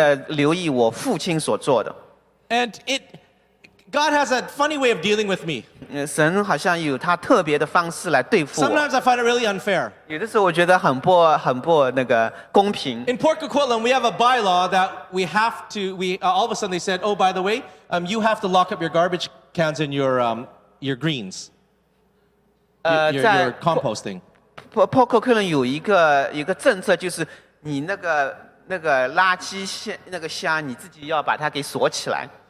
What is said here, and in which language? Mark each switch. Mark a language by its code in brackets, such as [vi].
[zh] 我非常的注意,即使留意我父亲所做的。 [en] And God has a funny way of dealing with me. [zh] 神好像有他特别的方式来对付我。 [en] Sometimes I find it really unfair. [zh] 有的时候我觉得很不那个公平。 [en] In Port Coquitlam, we have a bylaw that we have to, all of a sudden they said, oh, by the way, you have to lock up your garbage cans and your greens. Your composting. [zh] Port Coquitlam 有一个政策, 就是 你那个垃圾箱,你自己要把它给锁起来。